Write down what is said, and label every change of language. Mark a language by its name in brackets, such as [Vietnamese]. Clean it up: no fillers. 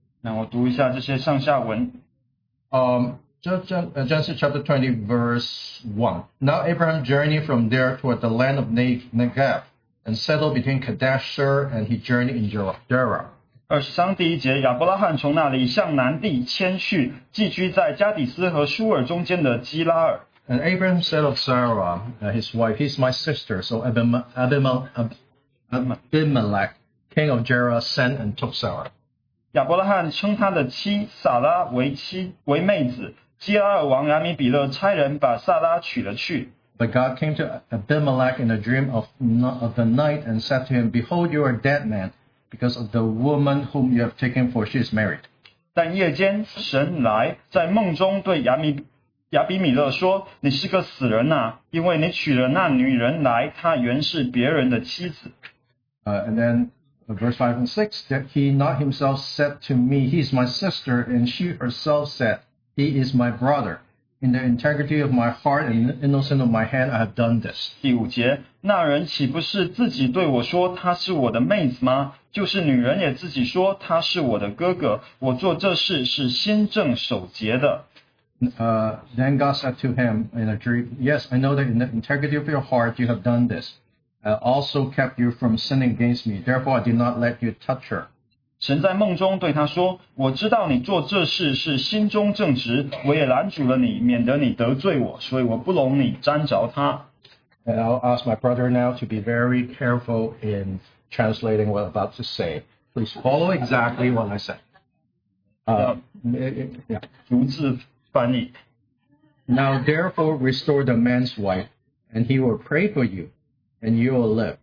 [Chinese] 那我读一下这些上下文. [English] Genesis chapter 20 verse 1. Now Abraham journeyed from there toward the land of Negev. And settled between Kadesh Shur and he journeyed in Gerar. [Chinese] 23第一节，亚伯拉罕从那里向南地迁去，寄居在加底斯和舒尔中间的基拉尔。 [English] And Abraham said of Sarah, his wife, "He's my sister." So Abimelech, king of Gerar, sent and took Sarah. [Chinese] 亚伯拉罕称他的妻撒拉为妻为妹子。基拉尔王亚米比勒差人把撒拉娶了去。 [English] But God came to Abimelech in a dream of the night and said to him, "Behold, you are a dead man because of the woman whom you have taken, for she is married." [Chinese] 但夜间神来在梦中对亚比米勒说，你是个死人啊，因为你娶了那女人来，她原是别人的妻子。 [English] And then verse 5 and 6, that he not himself said to me, "He is my sister," and she herself said, "He is my brother." In the integrity of my heart and innocence of my hand, I have done this. [Chinese] 第五节，那人岂不是自己对我说她是我的妹子吗？就是女人也自己说她是我的哥哥。我做这事是心正守节的。 [English] Then God said to him in a dream, "Yes, I know that in the integrity of your heart you have done this. I also kept you from sinning against me. Therefore, I did not let you touch her." [Chinese] 神在梦中对他说，我知道你做这事是心中正直，我也拦阻了你，免得你得罪我，所以我不容你沾着他。 [English] And I'll ask my brother now to be very careful in translating what I'm about to say. Please follow exactly what I said. [Chinese] 逐字翻译。 [English] Now therefore restore the man's wife, and he will pray for you, and you will live.